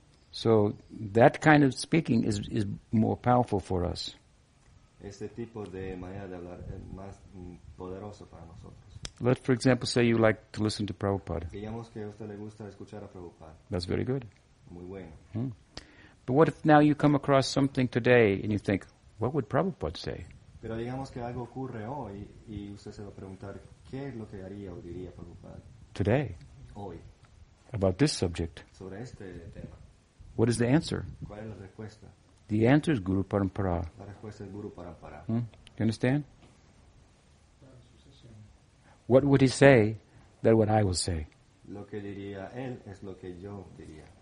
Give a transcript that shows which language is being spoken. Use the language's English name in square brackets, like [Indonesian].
[English] So that kind of speaking is more powerful for us. [Spanish] Este tipo de manera de hablar es más poderoso para nosotros. [English] Let, for example, say you like to listen to Prabhupada. [Spanish] Digamos que a usted le gusta escuchar a Prabhupada. [English] That's very good. [Spanish] Muy bueno. [English] But what if now you come across something today and you think, what would Prabhupada say? [Spanish] Pero digamos que algo ocurre hoy y usted se va a preguntar, ¿qué es lo que haría o diría Prabhupada? [English] Today. [Spanish] Hoy. [English] About this subject. [Spanish] Sobre este tema. [English] What is the answer? [Spanish] ¿Cuál es la respuesta? [English] The answer is Guru Parampara. [Spanish] La respuesta es Guru Parampara. [English] You understand? What would he say that what I will say? [Spanish] Lo que diría él es lo que yo diría.